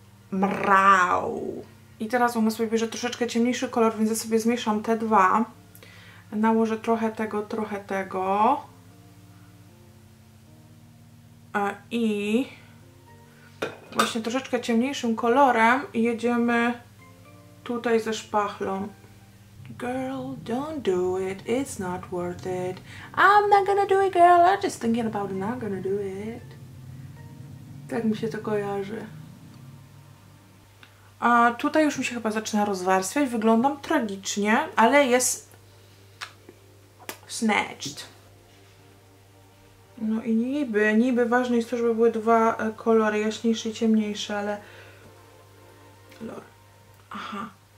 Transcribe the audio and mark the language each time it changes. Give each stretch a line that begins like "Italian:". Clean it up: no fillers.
Polish: Mrau. I teraz mam sobie bierze troszeczkę ciemniejszy kolor, więc ja sobie zmieszam te dwa. Nałożę trochę tego, trochę tego. I właśnie troszeczkę ciemniejszym kolorem jedziemy tutaj ze szpachlą.
English: Girl, don't do it, it's not worth it. I'm not gonna do it, girl, I'm just thinking about it, not gonna do it.
Polish: Tak mi się to kojarzy. A tutaj już mi się chyba zaczyna rozwarstwiać. Wyglądam tragicznie, ale jest snatched. No i niby ważne jest to, żeby były dwa kolory, jaśniejsze i ciemniejsze, ale... Lol. Aha.